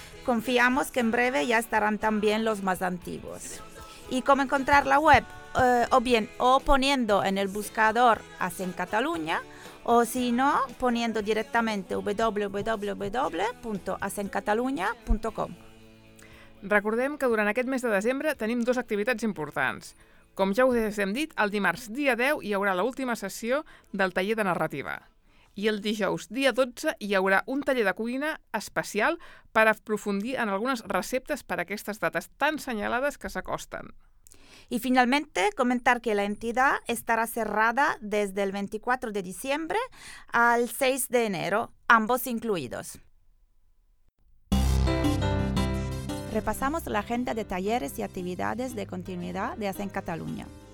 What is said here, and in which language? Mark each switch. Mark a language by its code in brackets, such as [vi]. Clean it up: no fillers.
[es] Confiamos que en breve ya estarán también los más antiguos. ¿Y cómo encontrar la web? O poniendo en el buscador ASEM Cataluña, o si no, poniendo directamente www.asencataluña.com. [ca] Recordem que durant aquest mes de desembre tenim dues activitats importants. Com ja us hem dit, el dimarts dia 10 hi haurà l'última sessió del taller de narrativa. I el dijous dia 12 hi haurà un taller de cuina especial per aprofundir en algunes receptes per a aquestes dates tan senyalades que s'acosten. [es] Y finalmente, comentar que la entidad estará cerrada desde el 24 de diciembre al 6 de enero, ambos incluidos. Repasamos la agenda de talleres y actividades de continuidad de ASEM Cataluña.